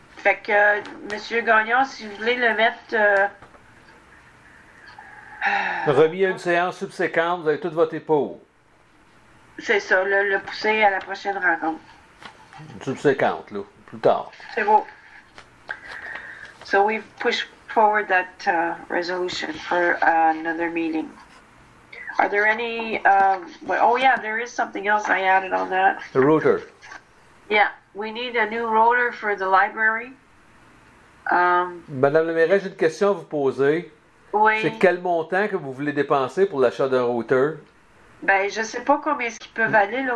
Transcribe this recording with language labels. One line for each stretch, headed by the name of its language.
French: Fait que, Monsieur Gagnon, si vous voulez le mettre... Remis à une séance subséquente, vous avez tout voté pour. C'est ça, le pousser à la prochaine rencontre. Une subséquente, là, plus tard. C'est beau.
English: So we've pushed forward that resolution for another meeting. Are there any... there is something else I added on that. The router. Yeah, we need a new router for the library.
French: Madame le maire, j'ai une question à vous poser. Oui. C'est quel montant que vous voulez dépenser pour l'achat d'un routeur? Ben, je ne sais pas combien est-ce qu'il peut valer, là,